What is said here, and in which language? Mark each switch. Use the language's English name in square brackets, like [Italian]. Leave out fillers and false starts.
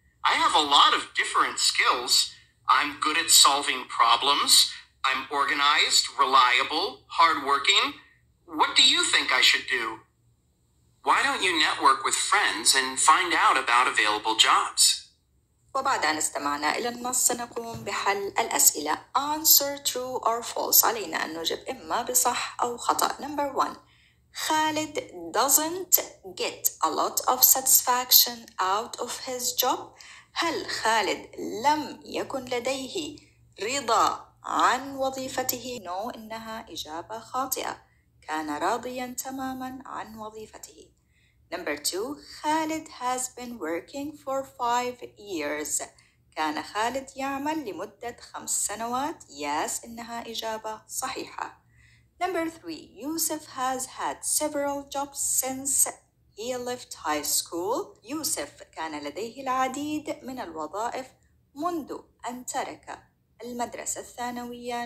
[English] I have a lot of different skills. I'm good at solving problems. I'm organized, reliable, hardworking. What do you think I should do? Why don't you network with friends and find out about available jobs? [Arabic] وبعد أن استمعنا إلى النص سنقوم بحل الأسئلة. [English] Answer true or false. [Arabic] علينا أن نجب إما بصح أو خطأ. [English] Number one. Khalid doesn't get a lot of satisfaction out of his job. [Arabic] هل خالد لم يكن لديه رضا عن وظيفته؟ [English] No, [Arabic] إنها إجابة خاطئة. كان راضيا تماما عن وظيفته. [English] Number two, Khalid has been working for 5 years. [Arabic] كان خالد يعمل لمدة 5 سنوات. [English] Yes, [Arabic] إنها إجابة صحيحة. [English] Number 3. Yusuf has had several jobs since he left high school. [Arabic] يوسف كان لديه العديد من الوظائف منذ أن ترك المدرسة الثانوية.